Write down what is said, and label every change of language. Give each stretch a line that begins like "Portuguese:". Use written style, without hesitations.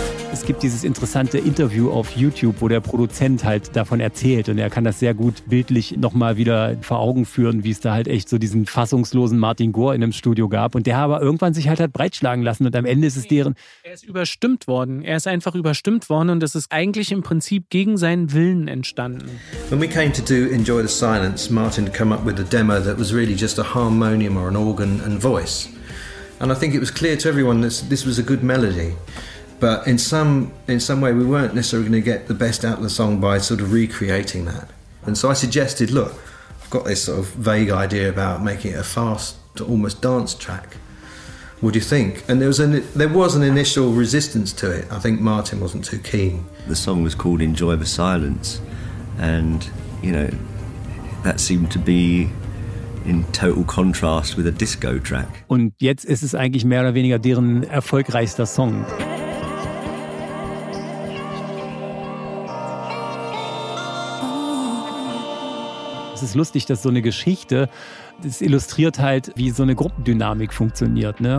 German: Es gibt dieses interessante Interview auf YouTube, wo der Produzent halt davon erzählt und er kann das sehr gut bildlich nochmal wieder vor Augen führen, wie es da halt echt so diesen fassungslosen Martin Gore in einem Studio gab und der aber irgendwann sich halt breitschlagen lassen und am Ende ist es deren... Er ist überstimmt worden. Er ist einfach überstimmt worden und es ist eigentlich im Prinzip gegen seinen Willen entstanden.
English: When we came to do Enjoy the Silence, Martin came up with a demo that was really just a harmonium or an organ and voice. And I think it was clear to everyone that this was a good melody. But in some way, we weren't necessarily going to get the best out of the song by sort of recreating that. And so I suggested, look, I've got this sort of vague idea about making it a fast, almost dance track. What do you think? And there was an initial resistance to it. I think Martin wasn't too keen. The song was called Enjoy the Silence. And, you know, that seemed to be in total contrast with a disco track.
German: Und jetzt ist es eigentlich mehr oder weniger deren erfolgreichster Song. Es ist lustig, dass so eine Geschichte, das illustriert halt, wie so eine Gruppendynamik funktioniert, ne?